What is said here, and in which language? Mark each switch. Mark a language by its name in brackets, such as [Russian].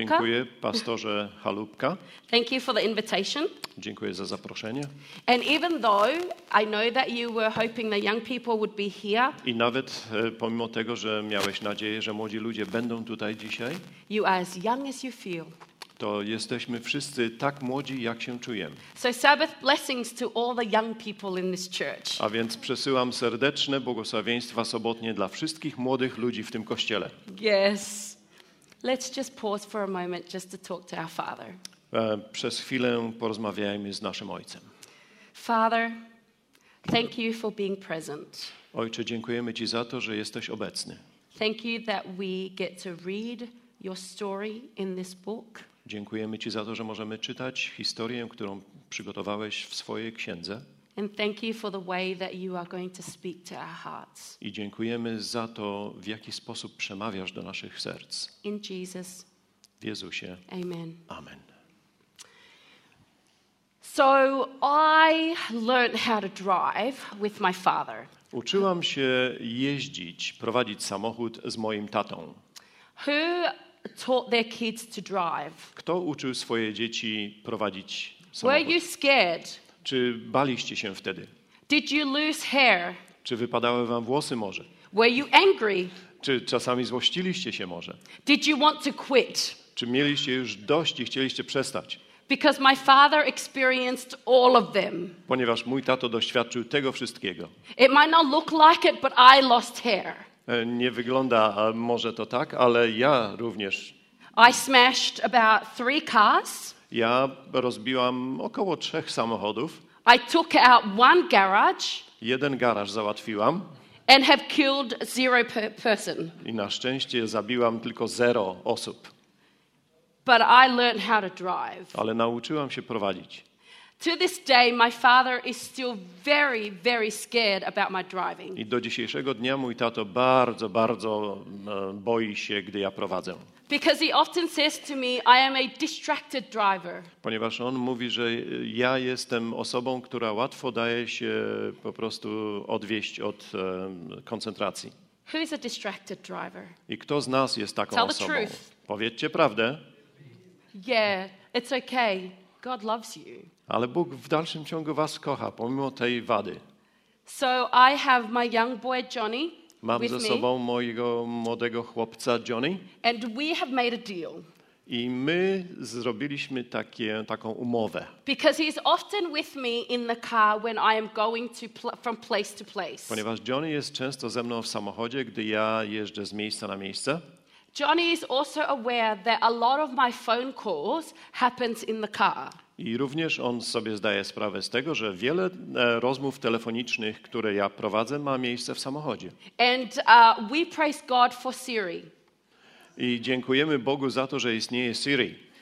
[Polish] Dziękuję, pastorze Halupka. [English] Thank you for the invitation. [Polish] Dziękuję za zaproszenie. [English] And even though I know that you were hoping the young people would be here. [Polish] I nawet pomimo tego, że miałeś nadzieję, że młodzi ludzie będą tutaj dzisiaj. [English] You are as young as you feel. [Polish] To jesteśmy wszyscy tak młodzi, jak się czujemy. [English] So Sabbath blessings to all the young people in this church. A więc przesyłam serdeczne błogosławieństwa sobotnie dla wszystkich młodych ludzi w tym kościele. Yes. Let's just pause for a moment just to talk to our Father. [Polish] Przez chwilę porozmawiajmy z naszym Ojcem. [English] Father, thank you for being present. [Polish] Ojcze, dziękujemy Ci za to, że jesteś obecny. [English] Thank you that we get to read your story in this book. [Polish] Dziękujemy Ci za to, że możemy czytać historię, którą przygotowałeś w swojej księdze. [English] And thank you for the way that you are going to speak to our hearts. [Polish] I dziękujemy za to, w jaki sposób przemawiasz do naszych serc. [English] In Jesus. [Polish] W Jezusie. [English] Amen. [Polish] Amen. [English] So I learned how to drive with my father. [Polish] Uczyłam się jeździć, prowadzić samochód z moim tatą. [English] Who taught their kids to drive? [Polish] Kto uczył swoje dzieci prowadzić samochód? [English] Were you scared? [Polish] Czy baliście się wtedy? [English] Did you lose hair? [Polish] Czy wypadały wam włosy może? [English] Were you angry? [Polish] Czy czasami złościliście się może? [English] Did you want to quit? [Polish] Czy mieliście już dość i chcieliście przestać? [English] Because my father experienced all of them. [Polish] Ponieważ mój tato doświadczył tego wszystkiego. [English] It might not look like it, but I lost hair. [Polish] Nie wygląda może to tak, ale ja również. [English] I smashed about 3 cars. [Polish] Ja rozbiłam około 3 samochodów. [English] I took out one garage. [Polish] Jeden garaż załatwiłam. [English] And have killed 0 person. [Polish] I na szczęście zabiłam tylko 0 osób. [English] But I learned how to drive. [Polish] Ale nauczyłam się prowadzić. [English] To this day my father is still very, very scared about my driving. [Polish] I do dzisiejszego dnia mój tato bardzo, bardzo boi się, gdy ja prowadzę. [English] Because he often says to me, I am a distracted driver. [Polish] Ponieważ on mówi, że ja jestem osobą, która łatwo daje się po prostu odwieść od koncentracji. [English] Who is a distracted driver? [Polish] I kto z nas jest taką [English] Tell [Polish] osobą? [English] The truth. [Polish] Powiedzcie prawdę. [English] Yeah, it's okay. God loves you. [Polish] Ale Bóg w dalszym ciągu was kocha pomimo tej wady. [English] So I have my young boy Johnny. [Polish] Mam ze sobą mojego młodego chłopca Johnny. [English] And we have made a deal. [Polish] I my zrobiliśmy taką umowę. [English] Because he's often with me in the car when I am going to from place to place. [Polish] Ponieważ Johnny jest często ze mną w samochodzie, gdy ja jeżdżę z miejsca na miejsce. [English] Johnny is also aware that a lot of my phone calls happens in the car. [Polish] I również on sobie zdaje sprawę z tego, że wiele rozmów telefonicznych, które ja prowadzę, ma miejsce w samochodzie. [English] And we praise God for Siri. [Polish] I dziękujemy Bogu za to, że istnieje Siri.